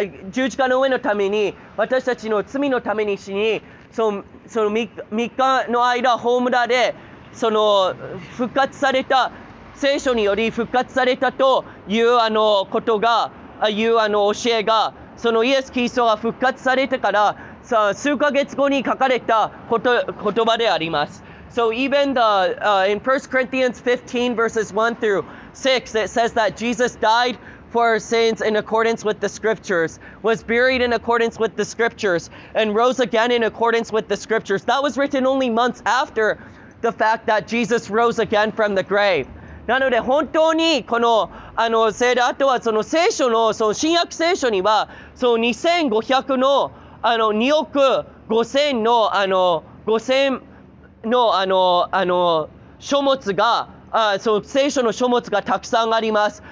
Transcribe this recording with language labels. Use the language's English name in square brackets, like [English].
[Japanese] 十字架の上のために私たちの罪のために死にその3日の間葬られその復活された聖書により復活されたということがいう教えがそのイエス・キリストが復活されてからさ数ヶ月後に書かれたこと言葉であります。 [English] So even the, in 1 Corinthians 15 verses 1 through 6, it says that Jesus died for our sins in accordance with the scriptures, was buried in accordance with the scriptures, and rose again in accordance with the scriptures. That was written only months after the fact that Jesus rose again from the grave. [Japanese] なので本当にこの、あとはその聖書の、その新約聖書には、その2500の、2億5000の、5000、の書物がその聖書の書物がたくさんあります。